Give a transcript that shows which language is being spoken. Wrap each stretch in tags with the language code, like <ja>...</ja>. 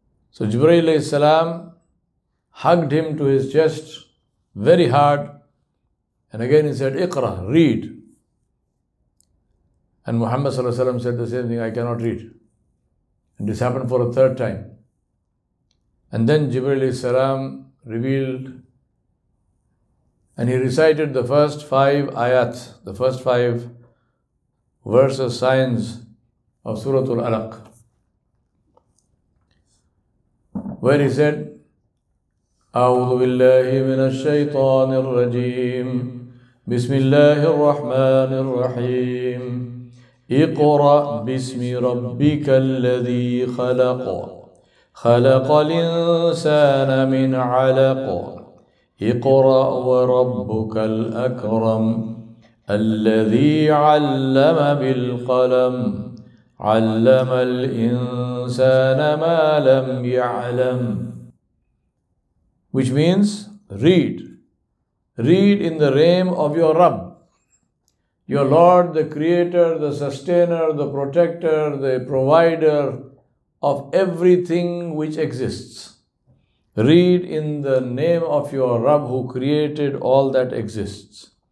<en>So Jibreel alayhi salam hugged him to his chest very hard, and again he said, Iqra, read. And Muhammad sallallahu alayhi wa sallam said the same thing, I cannot read. And this happened for a third time. And then Jibreel alayhi salam revealed, and he recited the first five ayat, the first five verses, signs of Suratul Alaq, where he said,</en> <ar>أعوذ بالله من الشيطان الرجيم بسم الله الرحمن الرحيم اقرأ باسم ربك الذي خلق خلق الإنسان من علق اقرأ وربك الأكرم الذي علم بالقلم علم الإنسان ما لم يعلم.</ar> <en>Which means, read. Read in the name of your Rabb, your Lord, the Creator, the Sustainer, the Protector, the Provider of everything which exists. Read in the name of your Rabb who created all that exists.</en>